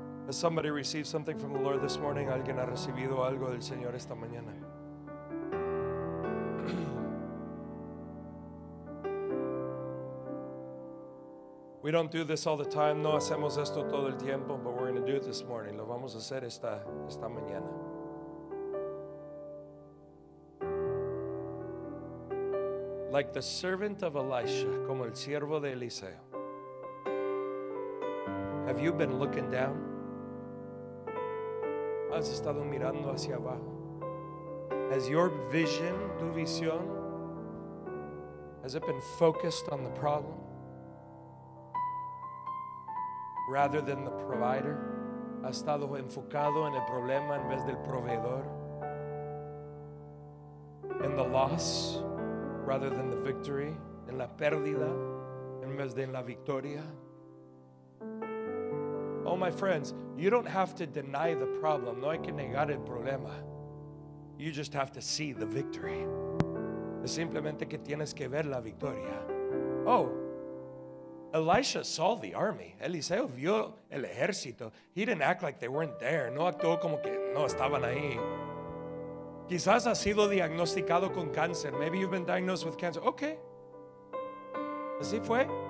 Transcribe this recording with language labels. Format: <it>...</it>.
<en>Somebody received something from the Lord this morning.</en> <es>Alguien ha recibido algo del Señor esta mañana.</es> <en>We don't do this all the time.</en> <es>No hacemos esto todo el tiempo,</es> <en>but we're going to do it this morning.</en> <es>Lo vamos a hacer esta mañana.</es> <en>Like the servant of Elisha,</en> <es>como el siervo de Eliseo.</es> <en>Have you been looking down?</en> <es>Has estado mirando hacia abajo.</es> <en>Has your vision,</en> <es>tu visión,</es> <en>has it been focused on the problem rather than the provider?</en> <es>Has estado enfocado en el problema en vez del proveedor?</es> <en>In the loss rather than the victory?</en> <es>En la pérdida en vez de en la victoria?</es> <en>Oh, my friends, you don't have to deny the problem.</en> <es>No hay que negar el problema.</es> <en>You just have to see the victory.</en> <es>Es simplemente que tienes que ver la victoria.</es> <en>Oh, Elisha saw the army.</en> <es>Eliseo vio el ejército.</es> <en>He didn't act like they weren't there.</en> <es>No actuó como que no estaban ahí. Quizás ha sido diagnosticado con cáncer.</es> <en>Maybe you've been diagnosed with cancer. Okay.</en> <es>Así fue.</es>